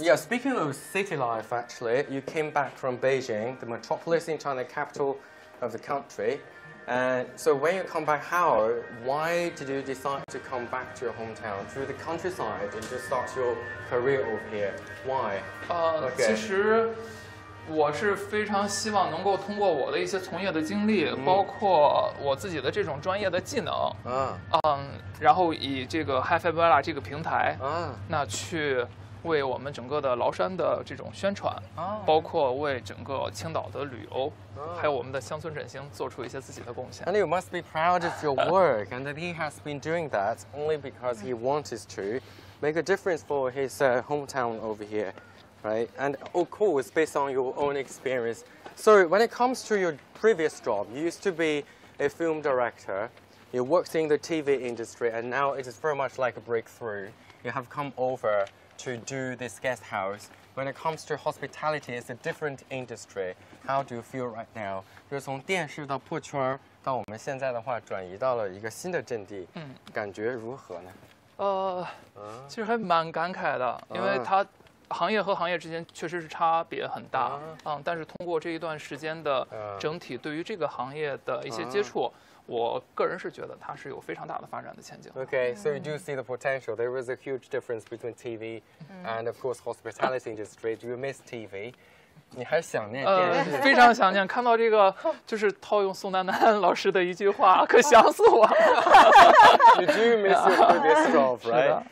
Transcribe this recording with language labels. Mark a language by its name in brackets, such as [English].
[English] Yeah, speaking of city life, actually, you came back from Beijing, the metropolis in China, capital of the country. And so when you come back, why did you decide to come back to your hometown, to the countryside, and just start your career over here? Why? Okay. [Chinese] 我是非常希望能够通过我的一些从业的经历，包括我自己的这种专业的技能，然后以这个 HiFiBella 这个平台，那去为我们整个的崂山的这种宣传，包括为整个青岛的旅游，还有我们的乡村振兴做出一些自己的贡献。 [English] And you must be proud of your work, and that he has been doing that only because he wants to make a difference for his hometown over here. Right, and of course, based on your own experience. So when it comes to your previous job, you used to be a film director. You worked in the TV industry, and now it is very much like a breakthrough. you have come over to do this guest house. When it comes to hospitality, it's a different industry. How do you feel right now? [Chinese] 就是从电视到破圈，到我们现在的话转移到了一个新的阵地，感觉如何呢？其实还蛮感慨的，因为它行业和行业之间确实是差别很大，但是通过这一段时间的整体对于这个行业的一些接触。我个人是觉得它是有非常大的发展的前景。 [English] Okay, so you do see the potential. There is a huge difference between TV and, of course, hospitality industry. Do you miss TV? [Chinese] 你还想念电视？非常想念。看到这个，就是套用宋丹丹老师的一句话，可想死我了。 [English] You do miss your previous job, right?